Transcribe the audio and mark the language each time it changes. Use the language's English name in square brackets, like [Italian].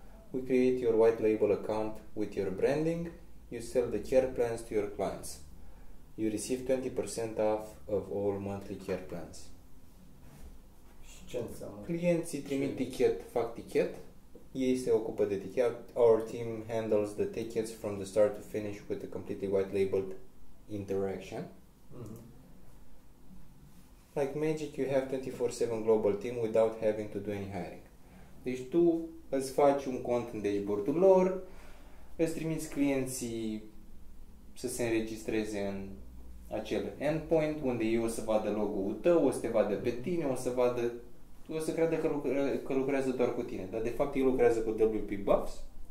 [English] We create your white label account with your branding. You sell the care plans to your clients. You receive 20% off of all monthly care plans. [Romanian] Și ce înseamnă? Clienții trimit tichet, fac tichet. Ei se ocupă de tichet. [English] Our team handles the tickets from the start to finish with a completely white-labeled interaction. Mm-hmm. Like magic, you have 24/7 global team without having to do any hiring. [Romanian] Deci tu îți faci un cont în dashboard-ul lor, îți trimiți clienții să se înregistreze în acel endpoint unde ei o să vadă logo-ul tău, o să te vadă pe tine, o să vadă, o să creadă că lucrează doar cu tine, dar de fapt ei lucrează cu WP Buffs.